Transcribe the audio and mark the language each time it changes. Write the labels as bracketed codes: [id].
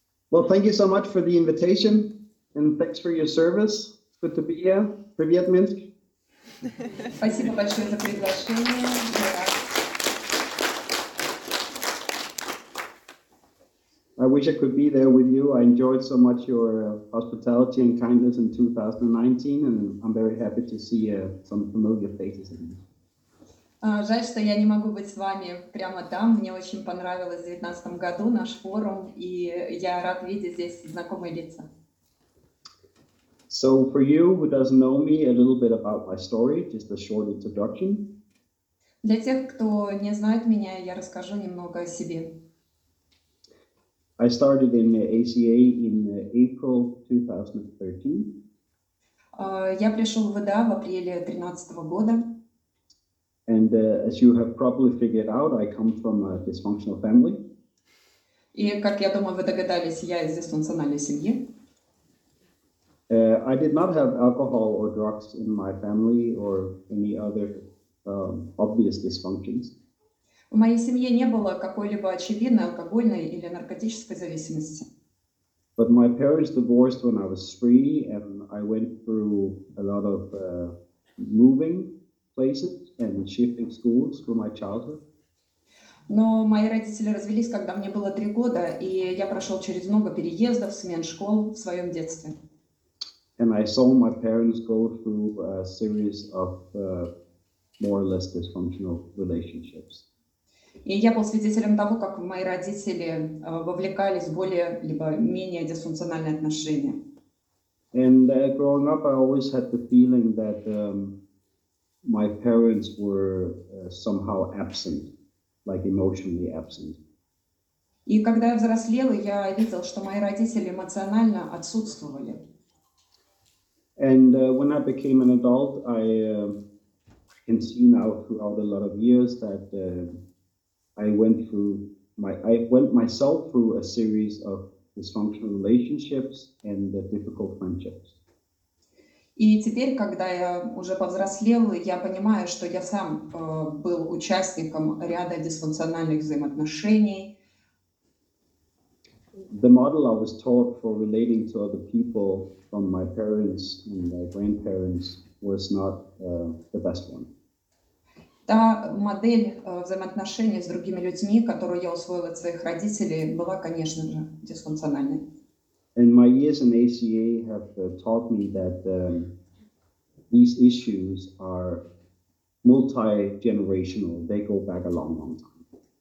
[en] Well, thank you so much for the invitation and thanks for your service. Good to be here. [ru] Привет, Минск. Спасибо большое за приглашение. [en] I wish I could be there with you. I enjoyed so much your hospitality and kindness in 2019, and I'm very happy to see some familiar faces. [ru] Жаль, что я не могу быть с вами прямо там. Мне очень понравилось в 2019 году наш форум, и я рад видеть здесь знакомые лица. [en] So for you who doesn't know me, a little bit about my story, just a short introduction. [ru] Для тех, кто не знает меня, я расскажу немного о себе. [en] I started in ACA in April 2013. [ru] Я пришел в ВДА в апреле 2013 года. [en] And as you have probably figured out, I come from a dysfunctional family. [ru] И как я думаю, вы догадались, я из дисфункциональной семьи. [en] I did not have alcohol or drugs in my family or any other obvious dysfunctions. [ru] В моей семье не было какой-либо очевидной алкогольной или наркотической зависимости. [en] But my parents divorced when I was three, and I went through a lot of moving places and shifting schools through my childhood. [ru] Но мои родители развелись, когда мне было три года, и я прошел через много переездов, смен школ в своем детстве. [en] And I saw my parents go through a series of more or less dysfunctional relationships. [ru] И я был свидетелем того, как мои родители вовлекались в более либо менее дисфункциональные отношения. [en] And growing up, I always had the feeling that my parents were somehow absent, like emotionally absent. [ru] И когда я взрослел, я видел, что мои родители эмоционально отсутствовали. [en] And when I became an adult, I can see now throughout a lot of years that I went myself through a series of dysfunctional relationships and difficult friendships. [ru] И теперь, когда я уже повзрослел, я понимаю, что я сам был участником ряда дисфункциональных взаимоотношений. [en] The model I was taught for relating to other people from my parents and my grandparents was not the best one. [ru] Та модель взаимоотношений с другими людьми, которую я усвоил от своих родителей, была, конечно же, дисфункциональной. [en] And my years in ACA have taught me that these issues are multi-generational. They go back a long, long time.